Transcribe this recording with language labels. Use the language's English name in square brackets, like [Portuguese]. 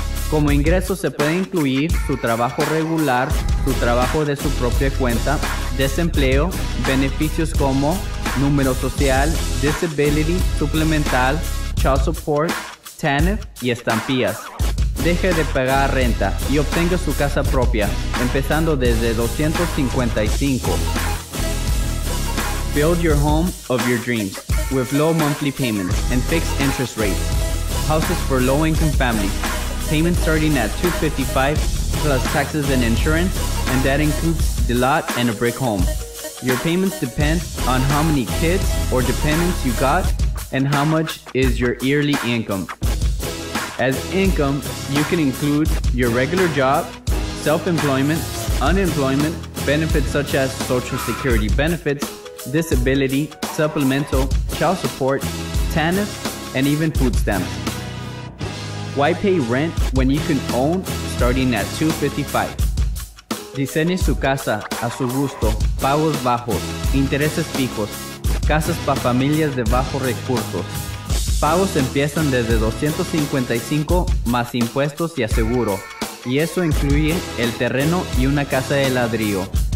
[Spanish] Como ingreso se puede incluir su trabajo regular, su trabajo de su propia cuenta, desempleo, beneficios como número social, disability, supplemental, child support, TANF y estampillas. Deje de pagar renta y obtenga su casa propia, empezando desde $255. [English] Build your home of your dreams with low monthly payments and fixed interest rates. Houses for low-income families. Payments starting at $255 plus taxes and insurance, and that includes the lot and a brick home. Your payments depend on how many kids or dependents you got and how much is your yearly income. As income, you can include your regular job, self-employment, unemployment, benefits such as Social Security benefits, disability, supplemental, child support, TANF, and even food stamps. Why pay rent when you can own starting at $255? [Spanish] Diseñe su casa a su gusto, pagos bajos, intereses fijos, casas para familias de bajos recursos. Pagos empiezan desde $255 más impuestos y aseguro, y eso incluye el terreno y una casa de ladrillo.